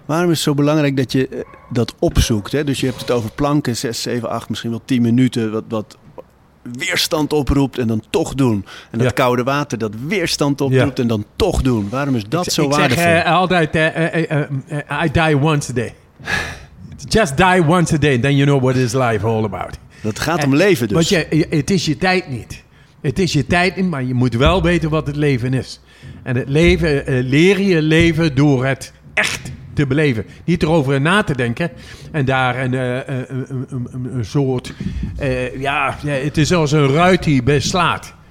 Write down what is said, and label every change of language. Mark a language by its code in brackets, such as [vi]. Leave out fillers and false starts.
[nl] Waarom is het zo belangrijk dat je dat opzoekt? Hè? Dus je hebt het over planken, 6, 7, 8, misschien wel 10 minuten, wat weerstand oproept en dan toch doen. En dat koude water dat weerstand oproept en dan toch doen. Waarom is dat zo waardevol? [en] Ik zeg altijd, I die once a day. Just die once a day, then you know what is life all about. [nl] Dat gaat om leven dus. Want het is je tijd niet. Het is je tijd niet, maar je moet wel weten wat het leven is. En het leven, leer je leven door het echt te beleven. Niet erover na te denken. En daar een soort, het is als een ruit die beslaat.